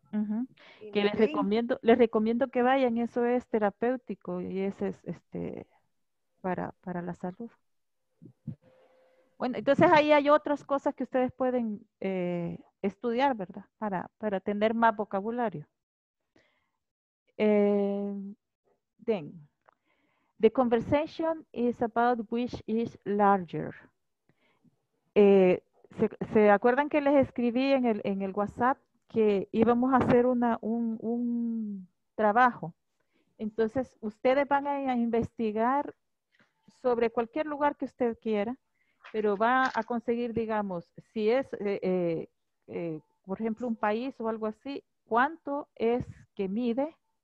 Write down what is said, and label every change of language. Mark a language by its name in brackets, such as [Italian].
[Spanish] Uh-huh. Que les recomiendo, les recomiendo que vayan. Eso es terapéutico. Y ese es este, para la salud. Bueno, entonces ahí hay otras cosas que ustedes pueden estudiar, ¿verdad? Para tener más vocabulario. [English] Then, the conversation is about which is larger. [Spanish] ¿Se acuerdan que les escribí en el WhatsApp que íbamos a hacer una, un trabajo? Entonces, ustedes van a investigar sobre cualquier lugar que usted quiera, pero va a conseguir, digamos, si es, por ejemplo, un país o algo así, ¿cuánto es que mide?